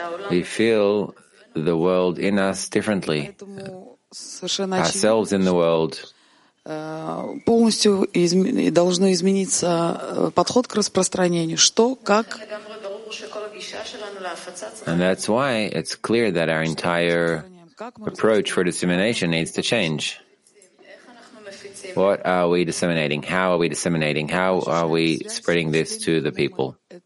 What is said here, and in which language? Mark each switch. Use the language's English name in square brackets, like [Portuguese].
[English] We feel the world in us differently, ourselves in the world. [Russian] Полностью должно измениться подход к распространению. Что, как? [English] And that's why it's clear that our entire approach for dissemination needs to change. What are we disseminating? How are we disseminating? How are we spreading this to the people?